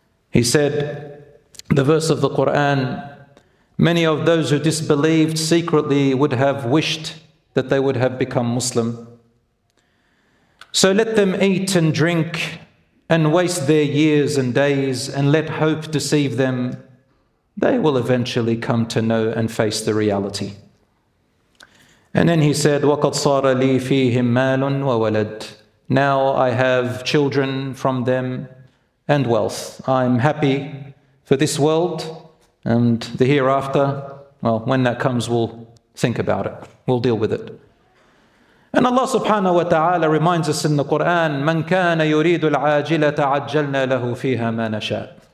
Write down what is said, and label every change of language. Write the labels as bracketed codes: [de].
[en] He said, the verse of the Quran, "Many of those who disbelieved secretly would have wished that they would have become Muslim. So let them eat and drink and waste their years and days, and let hope deceive them. They will eventually come to know and face the reality." And then he said, [ar] "وَقَدْ صَارَ لِي فِيهِمْ مَالٌ وَوَلَدٌ." [en] "Now I have children from them and wealth. I'm happy for this world and the hereafter. Well, when that comes, we'll think about it. We'll deal with it." And Allah subhanahu wa ta'ala reminds us in the Quran, [ar] "مَنْ كَانَ يُرِيدُ الْعَاجِلَةَ عَجَّلْنَا لَهُ فِيهَا مَا نَشَاءُ."